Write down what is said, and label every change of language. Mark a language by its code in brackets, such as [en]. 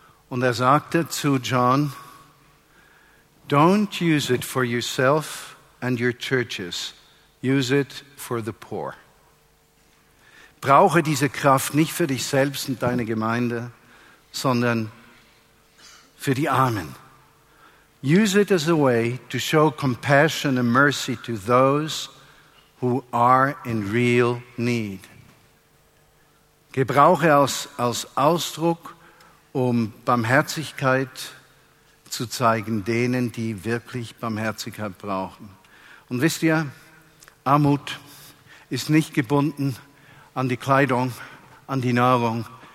[de] Und er sagte zu John, [en] don't use it for yourself and your churches, use it for the poor. [de] Brauche diese Kraft nicht für dich selbst und deine Gemeinde, sondern für die Armen. [en] Use it as a way to show compassion and mercy to those who are in real need. [de] Gebrauche als Ausdruck, um Barmherzigkeit zu zeigen denen, die wirklich Barmherzigkeit brauchen. Und wisst ihr, Armut ist nicht gebunden an die Kleidung, an die Nahrung.